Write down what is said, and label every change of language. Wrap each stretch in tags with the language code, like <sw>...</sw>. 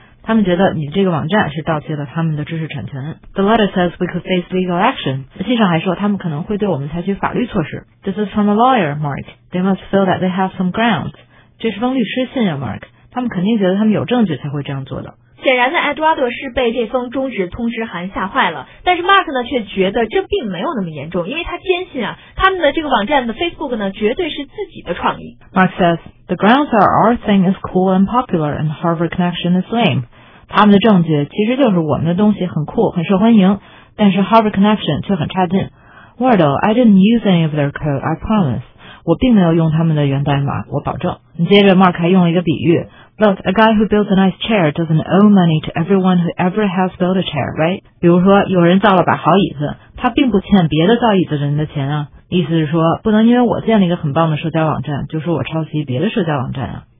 <zh>他们觉得你这个网站是盗窃了他们的知识产权。</zh> <en>The letter says we could face legal action.</en> <zh>信上还说他们可能会对我们采取法律措施。</zh> <en>This is from a lawyer, Mark. They must feel that they have some grounds.</en> <zh>这是封律师信啊 ,Mark. 他们肯定觉得他们有证据才会这样做的。显然的 ,Eduardo 是被这封终止通知函吓坏了。但是 Mark 呢却觉得这并没有那么严重，因为他坚信啊他们的这个网站的 Facebook 呢绝对是自己的创意。</zh> <en>Mark says, the grounds are our thing is cool and popular and Harvard connection is lame.</en> <zh>他们的证据其实就是我们的东西很酷很受欢迎，但是 Harvard Connection 却很差劲。</zh> <en>Wardo, I didn't use any of their code, I promise.</en> <zh>我并没有用他们的源代码，我保证。接着 Mark 还用了一个比喻，</zh> <en>Look, a guy who builds a nice chair doesn't owe money to everyone who ever has built a chair, right?</en> <zh>比如说有人造了把好椅子，他并不欠别的造椅子的人的钱啊，意思是说不能因为我建了一个很棒的社交网站就说我抄袭别的社交网站啊。</zh>